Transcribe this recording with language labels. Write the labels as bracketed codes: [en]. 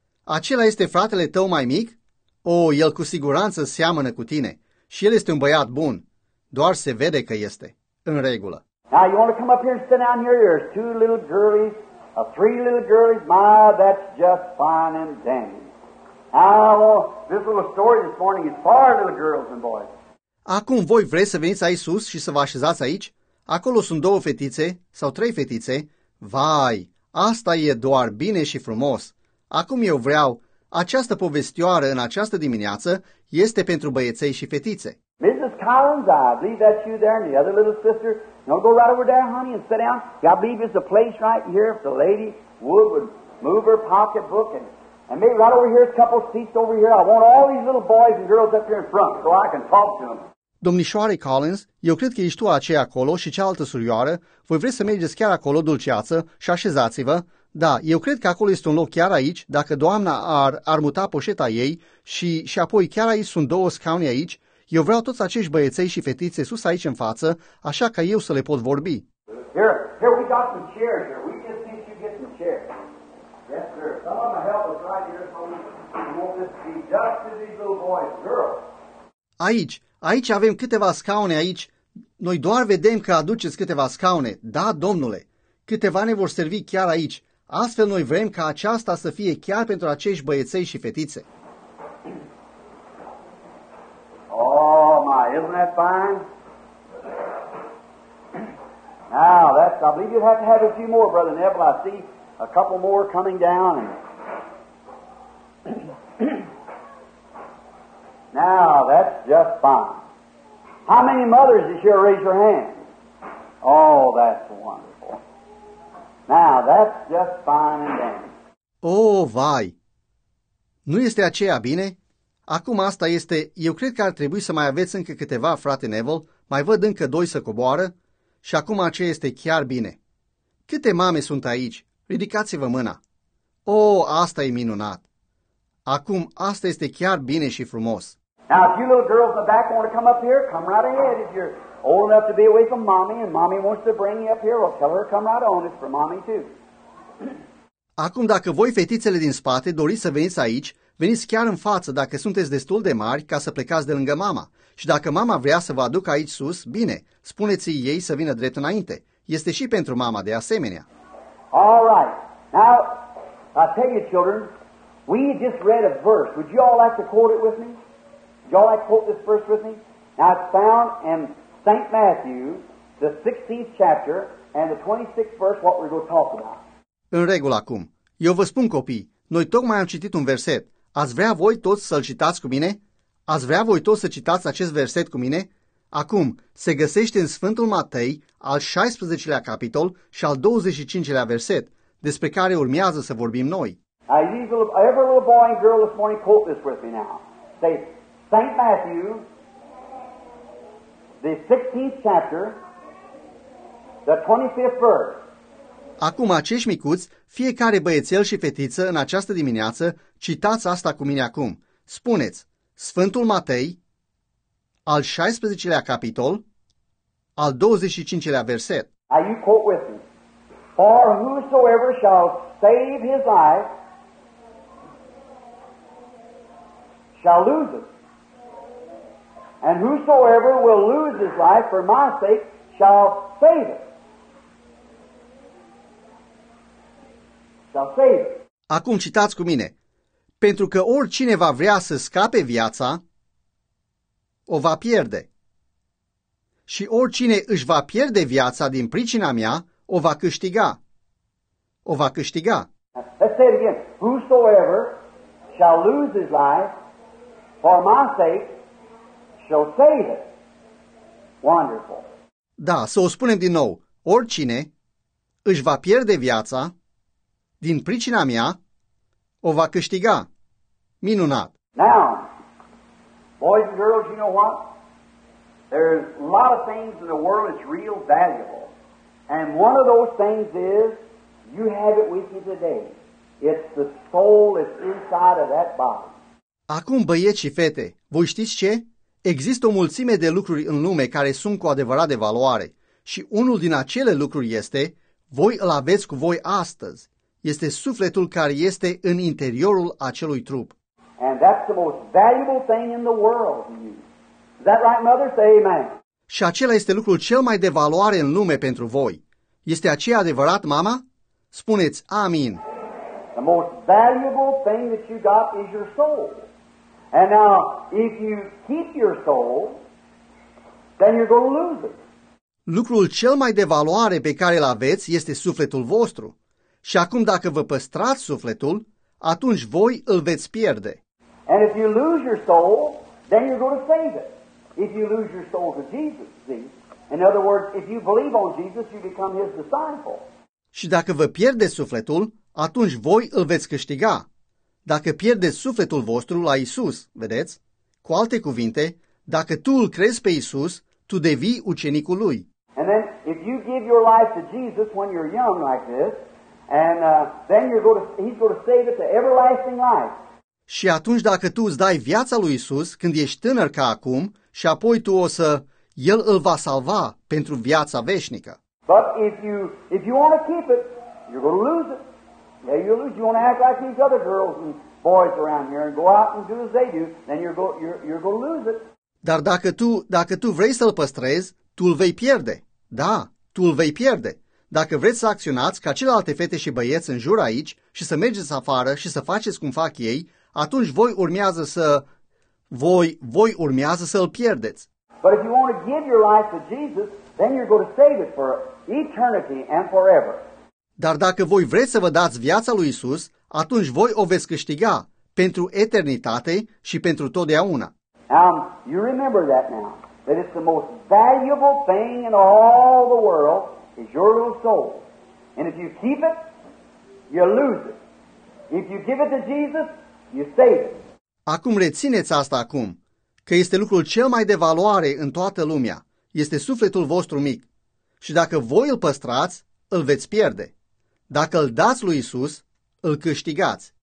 [ro] Acela este fratele tău mai mic? O, el cu siguranță seamănă cu tine. Și el este un băiat bun. Doar se vede că este. În regulă. [en] Now you want to come up here and sit down here? There's two little girlies, three little girlies. My, that's just fine and dandy. Now, this little story this morning is four little girls and boys. [ro] Acum voi vreți să veniți aici sus și să vă așezați aici? Acolo sunt două fetițe sau trei fetițe. Vai, asta e doar bine și frumos. Acum eu vreau, această povestioară în această dimineață este pentru băieței și fetițe. [en] Mrs. Collins, I believe that's you there and the other little sister. You want to go right over there, honey, and sit down? I believe there's a place right here if the lady would move her pocketbook and maybe right over here a couple seats over here. I want all these little boys and girls up here in front so I can talk to them. [ro] Domnișoare Collins, eu cred că ești tu aceea acolo și cealaltă surioară. Voi vreți să mergeți chiar acolo, dulceață, și așezați-vă? Da, eu cred că acolo este un loc chiar aici, dacă doamna ar muta poșeta ei și apoi chiar aici sunt două scaune aici. Eu vreau toți acești băieței și fetițe sus aici în față, așa ca eu să le pot vorbi. [en] Here we got some chairs here. We just need you to get some chairs. Yes, sir. Someone help us right here. We want this to be just as these little boys and girls. [ro] Aici avem câteva scaune aici. Noi doar vedem că aduceți câteva scaune. Da, domnule. Câteva ne vor servi chiar aici. Astfel noi vrem ca aceasta să fie chiar pentru acești băieței și fetițe. [en] Oh, my, isn't that fine? Now, that's, I believe you'd have to have a few more, Brother Neville. I see a couple more coming down. Now, that's just fine. How many mothers is here? Raise your hand. Oh, that's wonderful. Now, that's just fine and dandy. [ro] Oh, vai! Nu este aceea bine? Acum asta este, eu cred că ar trebui să mai aveți încă câteva, frate Neville, mai văd încă doi să coboară, și acum aceea este chiar bine. Câte mame sunt aici? Ridicați-vă mâna. Oh, asta e minunat. Acum asta este chiar bine și frumos. [en] Now, if you little girls in the back want to come up here, come right ahead. If you're old enough to be away from mommy and mommy wants to bring you up here, well, tell her to come right on. It's for mommy too. [ro] Acum, dacă voi, fetițele din spate, doriți să veniți aici, veniți chiar în față dacă sunteți destul de mari ca să plecați de lângă mama. Și dacă mama vrea să vă aducă aici sus, bine, spuneți-i ei să vină drept înainte. Este și pentru mama de asemenea. [en] All right. Now, I tell you, children, we just read a verse. Would you all like to quote it with me? Would you all like to quote this verse with me? Now, it's found in St. Matthew, the 16th chapter and the 26th verse, what we're going to talk about. [ro] În regulă acum. Eu vă spun, copii, noi tocmai am citit un verset. Ați vrea voi toți să-l citați cu mine? Ați vrea voi toți să citați acest verset cu mine? Acum, se găsește în Sfântul Matei, al 16-lea capitol și al 25-lea verset, despre care urmează să vorbim noi. [en] Every little boy and girl this morning, quote this with me now. Say, St. Matthew, the 16th chapter, the 25th verse. [ro] Acum, acești micuți, fiecare băiețel și fetiță în această dimineață, citați asta cu mine acum. Spuneți, Sfântul Matei, al 16-lea capitol, al 25-lea verset. [en] Now you quote with me. For whosoever shall save his life shall lose it. And whosoever will lose his life for my sake shall save it. [ro] Acum citați cu mine. Pentru că oricine va vrea să scape viața, o va pierde. Și oricine își va pierde viața din pricina mea, o va câștiga. O va câștiga. [en] Let's say it again. Whosoever shall lose his life for my sake shall save it. Wonderful. [ro] Da, să o spunem din nou. Oricine își va pierde viața din pricina mea, o va câștiga. Minunat. [en] Now, boys and girls, you know what? There's a lot of things in the world that's real valuable. And one of those things is, you have it with you today. It's the soul that's inside of that body. [ro] Acum, băieți și fete, voi știți ce? Există o mulțime de lucruri în lume care sunt cu adevărat de valoare. Și unul din acele lucruri este, voi îl aveți cu voi astăzi. este sufletul care este în interiorul acelui trup. [en] And that's the most valuable thing in the world. Is that right, mother? Say amen. [ro] Și acela este lucrul cel mai de valoare în lume pentru voi. Este aceea adevărat, mama? Spuneți amin. [en] The most valuable thing that you got is your soul. And now, if you keep your soul, then you're going to lose it. [ro] Lucrul cel mai de valoare pe care îl aveți este sufletul vostru. Și acum dacă vă păstrați sufletul, atunci voi îl veți pierde. [en] And if you lose your soul, then you're going to save it. If you lose your soul to Jesus, see? In other words, if you believe on Jesus, you become his disciple. [ro] Și dacă vă pierdeți sufletul, atunci voi îl veți câștiga. Dacă pierdeți sufletul vostru la Isus, vedeți? Cu alte cuvinte, dacă tu îl crezi pe Isus, tu devii ucenicul lui. [en] And then if you give your life to Jesus when you're young like this, and then you're going to he's going to save it to everlasting life. [ro] Și atunci dacă tu îți dai viața lui Isus când ești tânăr ca acum, și apoi tu o să el îl va salva pentru viața veșnică. [en] But if you want to keep it, you're going to lose it. Yeah, you lose. You want to act like these other girls and boys around here and go out and do as they do, then you're going to lose it. [ro] Dar dacă tu vrei să-l păstrezi, tu îl vei pierde. Da, tu îl vei pierde. Dacă vreți să acționați ca celelalte fete și băieți în jur aici și să mergeți afară și să faceți cum fac ei, atunci voi urmează să-l pierdeți. [en] But if you want to give your life to Jesus, then you're going to save it for eternity and forever. [ro] Dar dacă voi vreți să vă dați viața lui Isus, atunci voi o veți câștiga pentru eternitate și pentru totdeauna. [en] You remember that now, that it's the most valuable thing in all the world is your little soul. And if you keep it, you lose it. If you give it to Jesus, you save it. [ro] Acum rețineți asta acum, că este lucrul cel mai de valoare în toată lumea. Este sufletul vostru mic. Și dacă voi îl păstrați, îl veți pierde. Dacă îl dați lui Isus, îl câștigați.